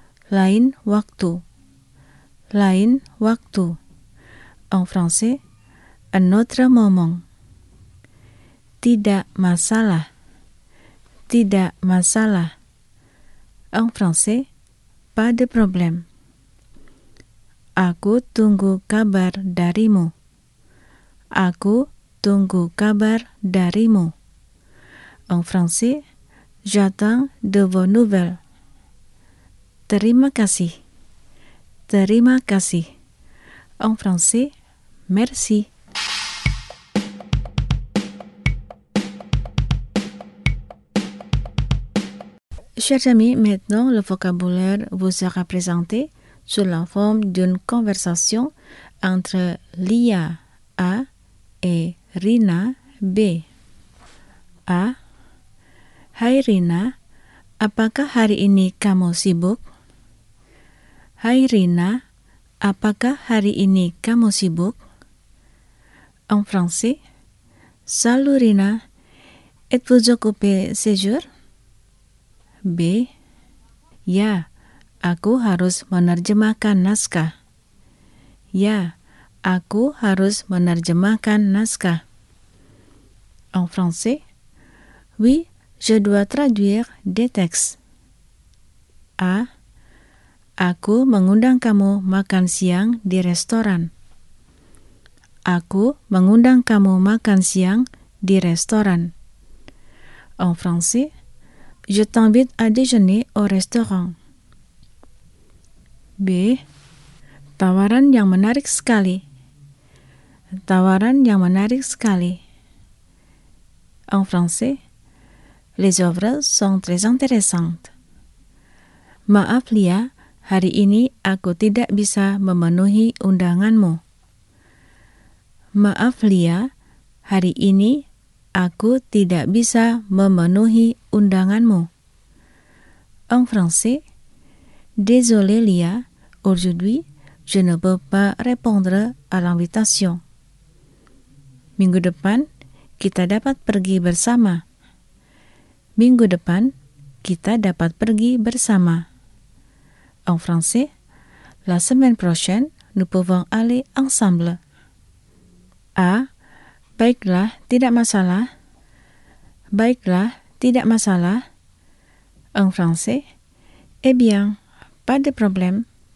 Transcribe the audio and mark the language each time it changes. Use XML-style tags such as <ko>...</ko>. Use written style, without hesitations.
<id>Lain waktu. Lain waktu.</id> <fr>En français, un autre moment.</fr> <id>Tidak masalah. Tidak masalah.</id> <fr>En français, pas de problème.</fr> <id>Aku tunggu kabar darimu. Aku tunggu kabar darimu.</id> <fr>En français, j'attends de vos nouvelles.</fr> <id>Terima kasih. Terima kasih.</id> <fr>En français, merci. Chers amis, maintenant le vocabulaire vous sera présenté sous la forme d'une conversation entre Lia A et Rina B. A.</fr> <id>Hai Rina, apakah hari ini kamu sibuk? Hai Rina, apakah hari ini kamu sibuk?</id> <fr>En français, salut Rina, êtes-vous occupé ce jour? B.</fr> <id>Ya, aku harus menerjemahkan naskah. Ya, aku harus menerjemahkan naskah.</id> <fr>En français, oui, je dois traduire des textes. A.</fr> <id>Aku mengundang kamu makan siang di restoran. Aku mengundang kamu makan siang di restoran.</id> <fr>En français, je t'invite à déjeuner au restaurant.</fr> <id>B. Tawaran yang menarik sekali. Tawaran yang menarik sekali.</id> <fr>En français, les offres sont très intéressantes.</fr> <id>Maaf, Lia, hari ini aku tidak bisa memenuhi undanganmu. Maaf, Lia, hari ini aku tidak bisa memenuhi undanganmu.</id> <fr>En français, désolé, Lia, aujourd'hui, je ne peux pas répondre à l'invitation.</fr> <id>Minggu depan, kita dapat pergi bersama. Minggu depan, kita dapat pergi bersama.</id> <fr>En français, la semaine prochaine, nous pouvons aller ensemble. A.</fr> <id>Baiklah, tidak masalah. Baiklah, tidak masalah.</id> <fr>En français, eh bien, pas de problème.</fr>